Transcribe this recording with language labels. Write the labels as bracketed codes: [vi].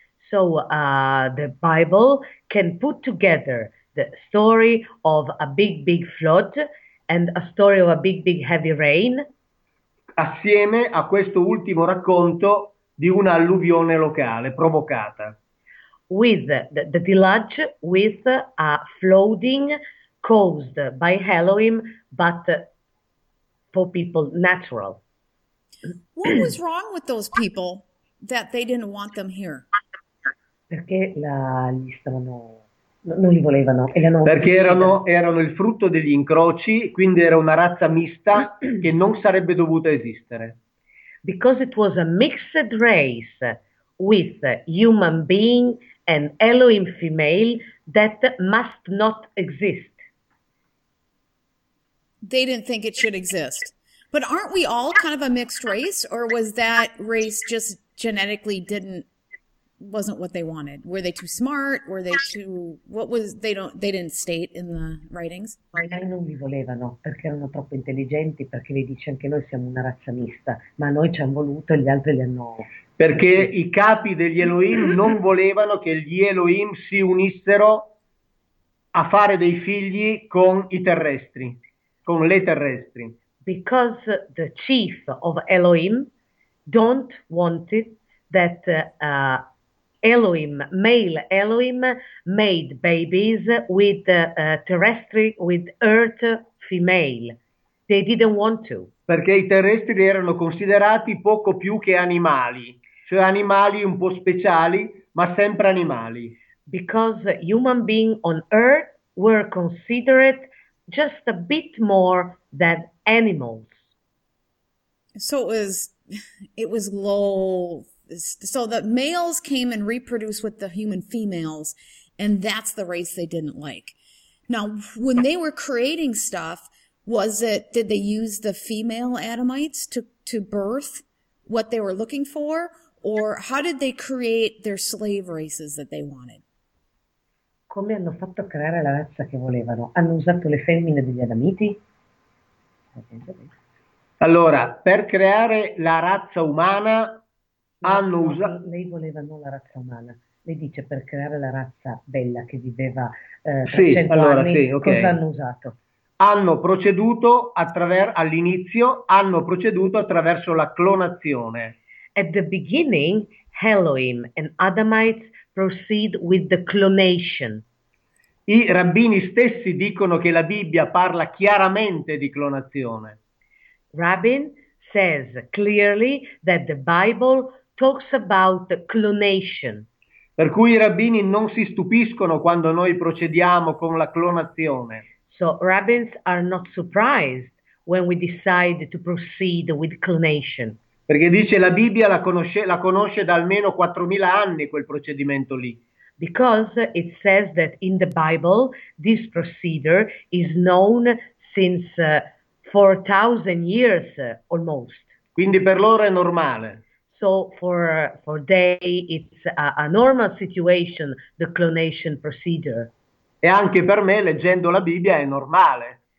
[en] So, the Bible can put together the story of a big flood and a story of a big heavy rain [it] Assieme a questo ultimo racconto di un'alluvione locale provocata. [en] with the deluge with a flooding caused by Elohim but for people natural. What was wrong with those people? that they didn't want them here. [it] Perché li stavano, non li volevano e li hanno Perché ucciso. erano il frutto degli incroci, quindi era una razza mista che non sarebbe dovuta esistere. [en] Because it was a mixed race with human being and Elohim female that must not exist. They didn't think it should exist. But aren't we all kind of a mixed race, or was that race just genetically didn't wasn't what they wanted? Were they too smart? Were they too, what was, they didn't state in the writings? [it] Ma noi non li volevano perché erano troppo intelligenti, perché lei dice anche noi siamo una razza mista, ma noi ci hanno voluto e gli altri li hanno Perché ucciso. i capi degli Elohim non volevano che gli Elohim si unissero a fare dei figli con i terrestri, con le terrestri. [en] Because the chief of Elohim don't want it that Elohim, male Elohim, made babies with terrestri, with earth female. They didn't want to. [it] Perché i terrestri erano considerati poco più che animali. Cioè animali un po' speciali, ma sempre animali. [en] Because human beings on earth were considered just a bit more than animals. So it was low. So the males came and reproduced with the human females, and that's the race they didn't like. Now, when they were creating stuff, was it, did they use the female Adamites to birth what they were looking for? Or how did they create their slave races that they wanted? [it] Come hanno fatto a creare la razza che volevano? Hanno usato le femmine degli adamiti? Allora, per creare la razza umana hanno No, no, usato. lei voleva non la razza umana. Lei dice per creare la razza bella che viveva tra Sì, 100 allora anni, sì, cosa ok. hanno usato? Hanno proceduto attraverso, all'inizio, hanno proceduto attraverso la clonazione. [en] At the beginning, Elohim and Adamites proceed with the clonation. [it] I rabbini stessi dicono che la Bibbia parla chiaramente di clonazione. [en] Rabin says clearly that the Bible talks about clonation. [it] Per cui i rabbini non si stupiscono quando noi procediamo con la clonazione. [en] So rabbins are not surprised when we decide to proceed with clonation. [it] Perché dice la Bibbia la conosce da almeno 4.000 anni quel procedimento lì. [en] Because it says that in the Bible this procedure is known since 4,000 years almost. [it] Quindi per loro è normale. [en] So for they it's a normal situation, the clonation procedure. [it] E anche per me, leggendo la Bibbia, è normale.